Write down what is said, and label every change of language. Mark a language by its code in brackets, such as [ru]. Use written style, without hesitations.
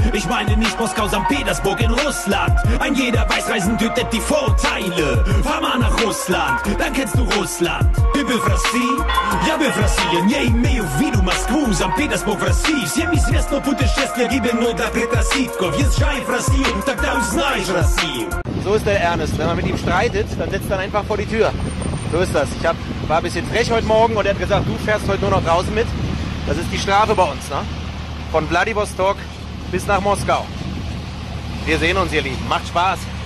[de] Ich meine nicht Moskau, St. Petersburg, in Russland. Ein jeder weiß, Reisen tötet die Vorteile. Fahr mal nach Russland, dann kennst du Russland. [ru] Ты был в России? Я был в России. Я имею в виду Москву, St. Petersburg, в России. Всем известно путешествие гибельное до предрассудков. Езжай в Россию, тогда узнаешь Россию. [de] So ist der Ernest. Wenn man mit ihm streitet, dann setzt man einfach vor die Tür. So ist das. Ich war ein bisschen frech heute Morgen und er hat gesagt, du fährst heute nur noch draußen mit. Das ist die Strafe bei uns, ne? Von Vladivostok bis nach Moskau. Wir sehen uns, ihr Lieben. Macht Spaß.